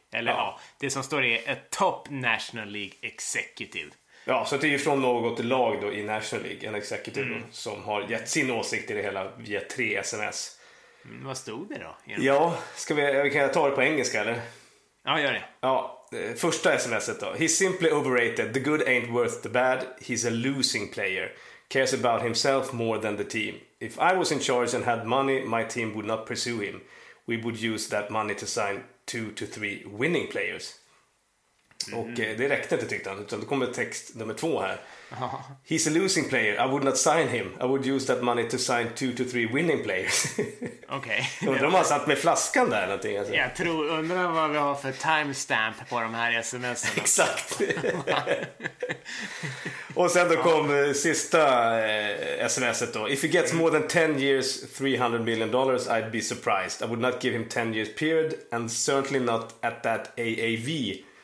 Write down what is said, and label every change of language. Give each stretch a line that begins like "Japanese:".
Swedish: Eller ja, det som står är
English: a top National League executive.
Swedish: Ja, så det är ju från något lag då i National League, en executive då, som har gett sin åsikt i det hela via 3 sms. Vad stod det då? Ja, kan jag ta det på engelska eller? Ja, gör det. Ja. Första smset då.
English: He's simply overrated. The good ain't worth the bad. He's a losing player. Cares about himself more than the team. If I was in charge and had money, my team would not pursue him. We would use that money to sign 2 to 3 winning players.
Swedish: Och det räckte inte, tyckte han. Utan då kommer text nummer två här.
English: He's a losing player. I would not sign him. I would use that money to sign 2 to 3 winning players.
Swedish: Okej.
English: Okay.
Swedish: De har satt med flaskan där någonting. Alltså. Jag tror, undrar vad vi har för timestamp på de här sms'erna. Exakt. Och sen då kom sista sms'et då.
English: If he gets more than 10 years, $300 million, I'd be surprised. I would not give him 10 years period. And certainly not at that AAV.